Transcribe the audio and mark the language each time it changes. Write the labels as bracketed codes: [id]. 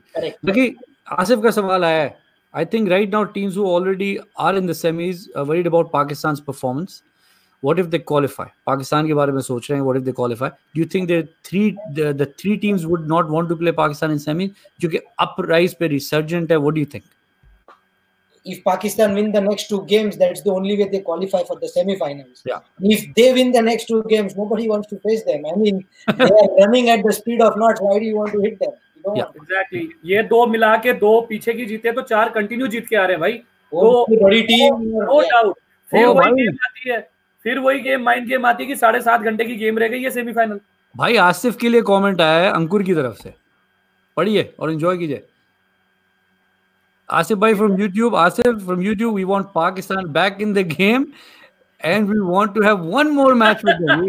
[hi] आसिफ का सवाल आया है [en] I think right now teams who already are in the semis worried about Pakistan performance what if they qualify [hi] Pakistan के बारे में सोच रहे हैं [en] What if they qualify do you think the three teams would not want to play Pakistan in semis क्योंकि up rise पे resurgent है what do you think If Pakistan win the next two games, that's the only way they qualify for the semi-finals. Yeah. If they win the next two games, nobody wants to face them. I mean, they are running at the speed of knots. Why do you want to hit them? Exactly. [hi] ये दो मिला के दो पीछे की जीते तो चार continue जीत के आ रहे भाई. बड़ी team. [en] No doubt. [hi] फिर वही game आती है. फिर वही game mind game आती है कि 7.5 घंटे की game रह गई है semi-final. भाई आसिफ के लिए comment आया है अंकुर की तरफ से. पढ़िए और enjoy कीजिए. [en] Asif bhai from YouTube. Asif from YouTube, we want Pakistan back in the game. And we want to have one more match with them.